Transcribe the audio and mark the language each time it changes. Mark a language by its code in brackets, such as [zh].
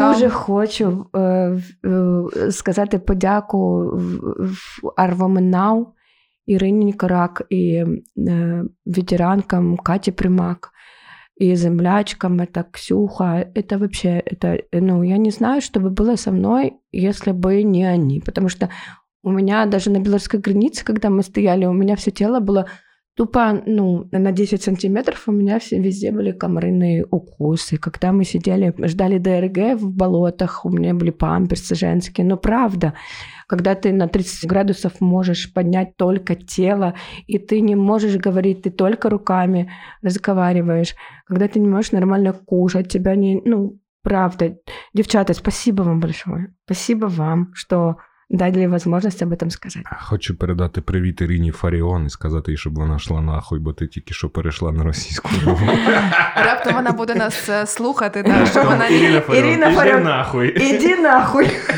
[uk] Я дуже хочу сказати подяку Арвоминау, Ірині Нікорак і ветеранкам Каті Примак, і землячкам, і так Ксюха. Це вообще, ну, я не знаю, що би було зі мною, якщо б не вони. Тому що у мене навіть на білорусській границі, коли ми стояли, у мене все тіло було тупо, ну, на 10 сантиметрів у мене везде були [ru] комариные укусы. Когда мы сидели, ждали ДРГ в болотах, у меня были памперсы женские. Но правда, когда ты на 30 градусов можешь поднять только тело, и ты не можешь говорить, ты только руками разговариваешь, когда ты не можешь нормально кушать, тебя не... Ну, правда. Девчата, спасибо вам большое. Спасибо вам, что... [uk] дали можливість [ru] об этом [uk] сказати. Хочу передати привіт Ірині Фаріон і сказати їй, щоб вона йшла нахуй, бо ти тільки що перейшла на російську мову. Раптом вона буде нас слухати, так, що вона... Ірина Фаріон, іди нахуй!